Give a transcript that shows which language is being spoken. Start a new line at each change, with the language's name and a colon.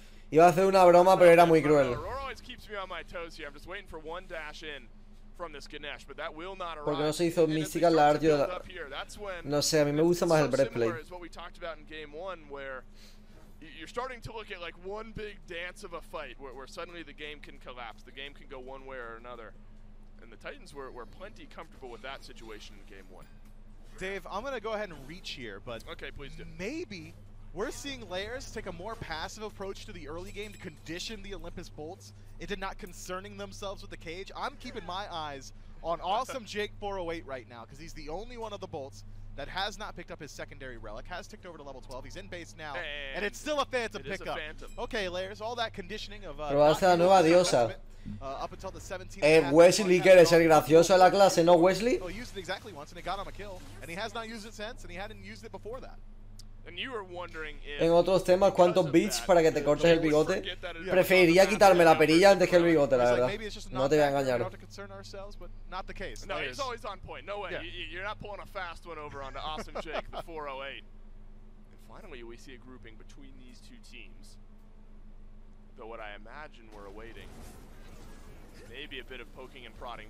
Spanish: Iba a hacer una broma, pero era muy cruel.
English: Aurora always keeps me on my toes here. I'm just waiting for one dash in. From this Ganesh, but that will not arrive.
Spanish: No se hizo mística la arte. No sé, a mí me gusta más el breastplate.
English: Is what we talked about in game one, where you're starting to look at like one big dance of a fight, where suddenly the game can collapse, the game can go one way or another, and the Titans were plenty comfortable with that situation in game one. Dave, I'm gonna go ahead and reach here, but okay, please do. Maybe we're seeing Lairs take a more passive approach to the early game to condition the Olympus Bolts into not concerning themselves with the cage. I'm keeping my eyes on awesome Jake 408 right now, because he's the only one of the Bolts that has not picked up his secondary relic, has ticked over to level 12. He's in base now, and it's still a Phantom it pickup. Is a Phantom. Okay, Lairs, all that conditioning of... up until the 17th
Spanish: Wesley quiere ser gracioso en la clase, ¿no, Wesley?
English: Well, he used it exactly once, and it got him a kill, and he has not used it since, and he hadn't used it before that. And you were wondering if,
Spanish: en otros temas, ¿cuántos beats para que te cortes el bigote? Preferiría quitarme la perilla antes que el bigote, la verdad. No te voy a engañar.
English: No, he's always on point. No way. Yeah. You're not pulling a fast one over onto Awesome Jake, the 408. And finally, we see a grouping between these two teams. Though what I imagine we're awaiting may be a bit of poking and prodding.